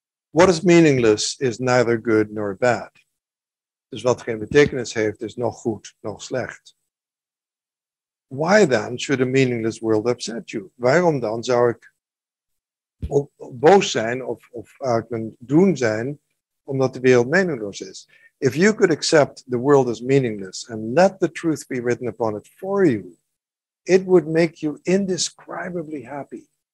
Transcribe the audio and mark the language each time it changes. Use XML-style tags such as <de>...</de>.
<en>What is meaningless is neither good nor bad.</en> <nl>Dus wat geen betekenis heeft is nog goed, nog slecht.</nl> <en>Why then should a meaningless world upset you?</en> <nl>Waarom dan zou ik boos zijn of uit mijn doen zijn omdat de wereld meaningloos is?</nl> <en>If you could accept the world as meaningless and let the truth be written upon it for you, it would make you indescribably happy.</en>